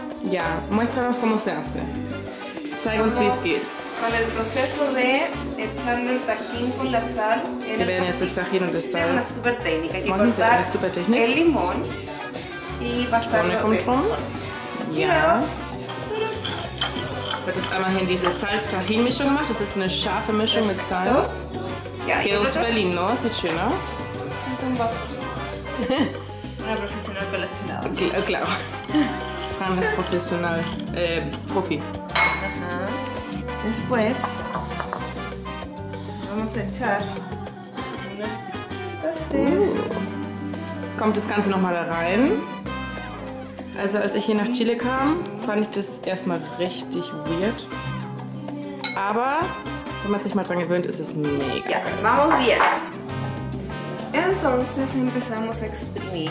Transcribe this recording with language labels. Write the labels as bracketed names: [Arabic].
[Spanish] Ja, muéstranos cómo se hace. [German] Zeig uns, wie es geht. [Spanish] Con el proceso de echarle el tajín con la sal en el vasito. Es una super técnica. Hay que cortar el limón y pasarlo dentro. Ja. [German] Wird es immerhin diese Salz-Tajin-Mischung gemacht. Das ist eine scharfe Mischung mit Salz. Ja, ich aus Berlin, [Spanish] ¿no? [German] Sieht schön aus. Mit dem Wasser. [Spanish] Una profesional con la chelada. [German] Okay, claro. Fran ist professional. Profi. [Spanish] Después vamos a echar este. [German] Jetzt kommt das Ganze nochmal da rein. Also als ich hier nach Chile kam, fand ich das erstmal richtig weird. Aber wenn man sich mal dran gewöhnt, ist es mega. [Spanish] Ja, vamos bien. Entonces empezamos a exprimir.